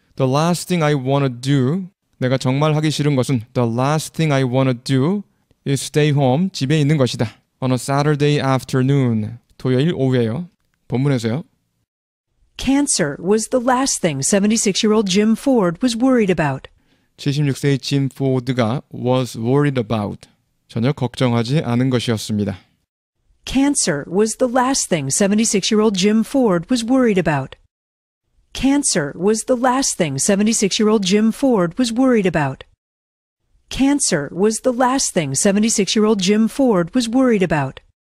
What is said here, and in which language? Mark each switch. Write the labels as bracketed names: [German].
[English] The last thing I want to do, [Korean] 내가 정말 하기 싫은 것은 [English] the last thing I want to do is stay home, [Korean] 집에 있는 것이다. [English] On a Saturday afternoon, [Korean] 토요일 오후에요. 본문에서요. [English] Cancer was the last thing 76-year-old Jim Ford was worried about. [Korean] 76세의 짐 포드가 [English] was worried about. [Korean] 전혀 걱정하지 않은 것이었습니다. [English] Cancer was the last thing 76-year-old Jim Ford was worried about. Cancer was the last thing 76-year-old Jim Ford was worried about. Cancer was the last thing 76-year-old Jim Ford was worried about.